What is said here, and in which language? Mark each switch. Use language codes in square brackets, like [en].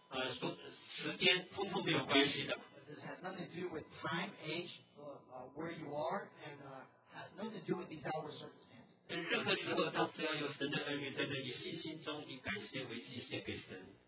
[zh] 这个跟年龄、性别、你所在的地方、时间，通通没有关系的。 [en] This has nothing to do with time, age, where you are, and has nothing to do with these outward circumstances. [zh] 任何时候，当只要有神的儿女在这里，你信心中以感谢为祭献给神。